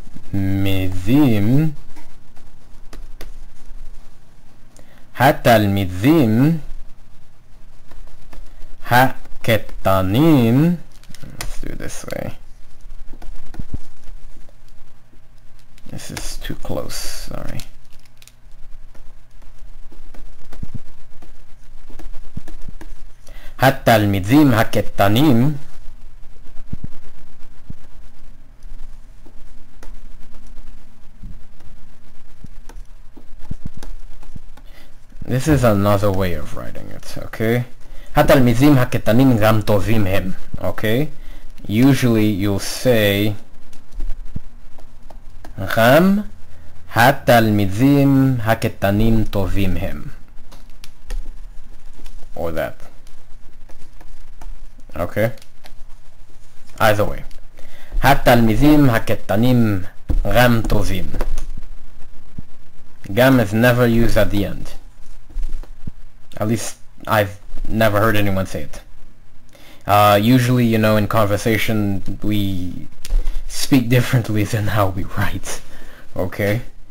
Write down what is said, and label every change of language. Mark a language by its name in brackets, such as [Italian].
[Hebrew] התלמידים התלמידים הקטנים [English] let's do it this way this is too close sorry [Hebrew] התלמידים הקטנים [English] This is another way of writing it, okay? [Hebrew] התלמידים הקטנים גם טובים הם, okay? [English] Usually you'll say [Hebrew] גם התלמידים הקטנים טובים הם. [English] Or that. Okay? Either way. [Hebrew] התלמידים הקטנים גם טובים. [English] גם is never used at the end. At least, I've never heard anyone say it. Usually, you know, in conversation, we speak differently than how we write. Okay?